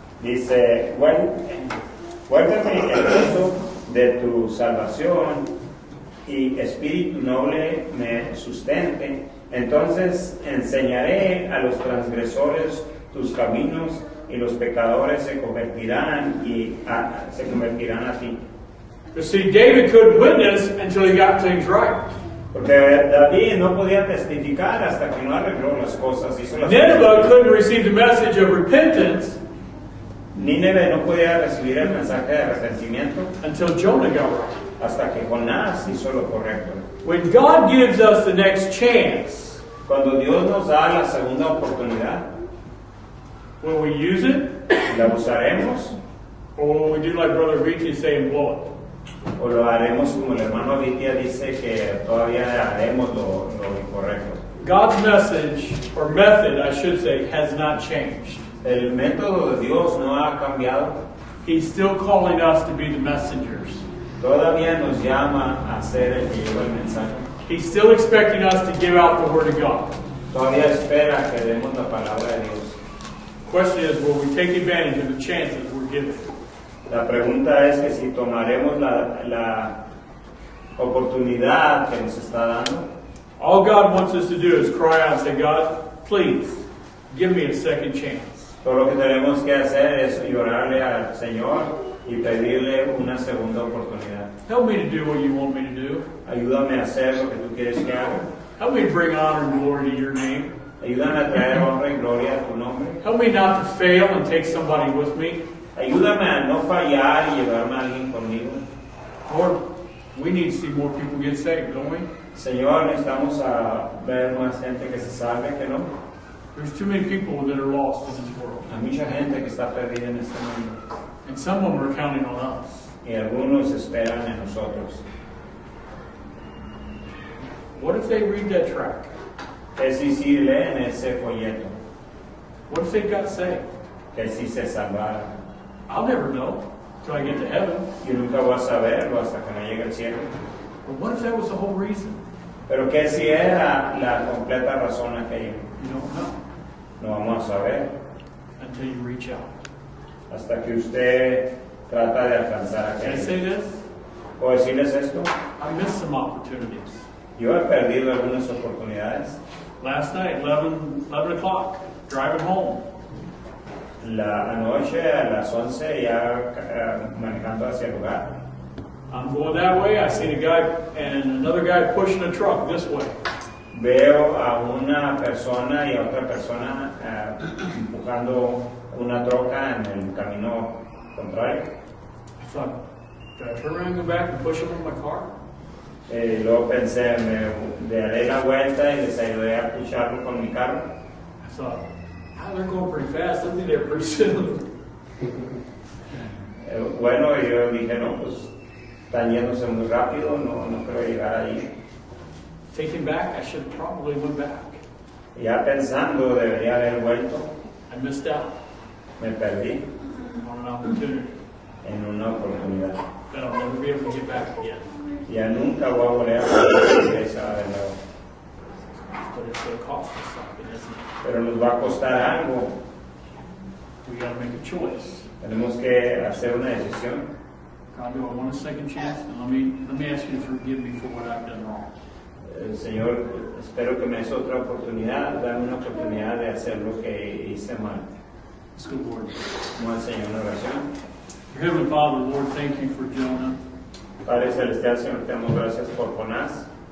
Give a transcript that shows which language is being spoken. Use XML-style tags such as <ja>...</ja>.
<es>Dice, guárdame el gozo de tu salvación, y espíritu noble me sustente. Entonces enseñaré a los transgresores tus caminos, y los pecadores se convertirán a ti.</es> <en>You see, David couldn't witness until he got things right.</en> <es>Porque David no podía testificar hasta que no arregló las cosas.</es> <en>Nineveh couldn't receive the message of repentance.</en> <es>Nineveh no podía recibir el mensaje de arrepentimiento.</es> <en>Until Jonah got right.</en> <es>Hasta que Jonás hizo lo correcto.</es> <en>When God gives us the next chance,</en> <es>cuando Dios nos da la segunda oportunidad,</es> <en>will we use it?</en> <es>¿La usaremos?</es> <en>Or will we do like Brother Richie saying, blow it?</en> <es>O lo haremos como el hermano Vitia dice que todavía haremos lo incorrecto.</es> <en>God's message, or method, I should say, has not changed.</en> <es>El método de Dios no ha cambiado.</es> <en>He's still calling us to be the messengers.</en> <es>Todavía nos llama a ser el que lleva el mensaje.</es> <en>He's still expecting us to give out the word of God.</en> <es>Todavía espera que demos la palabra de Dios.</es> <en>Question is, will we take advantage of the chances we're given?</en> <es>La pregunta es que si tomaremos la oportunidad que nos está dando.</es> <en>All God wants us to do is cry out and say, God, please, give me a second chance.</en> <es>Todo lo que tenemos que hacer es llorarle al Señor y pedirle una segunda oportunidad.</es> <en>Help me to do what you want me to do.</en> <es>Ayúdame a hacer lo que tú quieres que haga.</es> <en>Help me bring honor and glory to your name.</en> <es>Ayúdame a traer honra y gloria a tu nombre.</es> <en>Help me not to fail and take somebody with me.</en> <es>Ayúdame a no fallar y llevarme a alguien conmigo.</es> <en>Lord, we need to see more people get saved, don't we?</en> <es>Señor, necesitamos a ver más gente que se salve, que no.</es> <en>There's too many people that are lost in this world.</en> <es>Hay mucha gente que está perdida en este mundo.</es> <en>And some of them are counting on us.</en> <es>Y algunos esperan en nosotros.</es> <en>What if they read that tract?</en> <es>Que si leen ese folleto.</es> <en>What if they got saved?</en> <es>Que si se salvara.</es> <en>I'll never know until I get to heaven.</en> <es>Yo nunca voy a saberlo hasta que no llegue al cielo.</es> <en>But what if that was the whole reason?</en> <es>Pero que si era la completa razón aquella.</es> <en>No, no.</en> <es>No vamos a saber.</es> <en>Until you reach out.</en> <es>Hasta que usted trata de alcanzar aquello.</es> <en>Can I say this?</en> <es>¿O decirles esto?</es> <en>I missed some opportunities.</en> <es>Yo he perdido algunas oportunidades.</es> <en>Last night, 11 o'clock, driving home.</en> <es>La anoche a las 11 ya manejando hacia el hogar.</es> <en>I'm going that way. I see a guy and another guy pushing a truck this way.</en> <es>Veo a una persona y a otra persona empujando una troca en el camino contrario.</es> <en>I thought, did I turn around and go back and push him in my car?</en> <es>luego pensé, me daré la vuelta y les ayudé a pucharlo con mi carro.</es> <en>So, they're going pretty fast. I'll be there pretty soon.</en> <es>Bueno, yo dije, no, pues, están yéndose muy rápido, no creo llegar ahí.</es> <en>Thinking back, I should probably went back.</en> <es>Ya pensando, debería haber vuelto.</es> <en>I missed out.</en> <es>Me perdí.</es> <en>On an opportunity.</en> <es>En una oportunidad.</es> <en>But I'll never be able to get back again.</en> <es>Ya nunca voy a volver a hacer esa de nuevo.</es> <en>But it's going to cost us something, isn't it?</en> <es>Pero nos va a costar algo.</es> <en>We got to make a choice.</en> <es>Tenemos que hacer una decisión.</es> <en>God, do I want a second chance? And let me ask you to forgive me for what I've done wrong.</en> <es>Señor, espero que me des otra oportunidad. Dame una oportunidad de hacer lo que hice mal.</es> <en>Let's go, Lord.</en> <es>Como el Señor, una oración.</es> <en>Your Heavenly Father, Lord, thank you for Jonah.</en> <es>Padre Celestial, Señor, te damos gracias por Jonás.</es>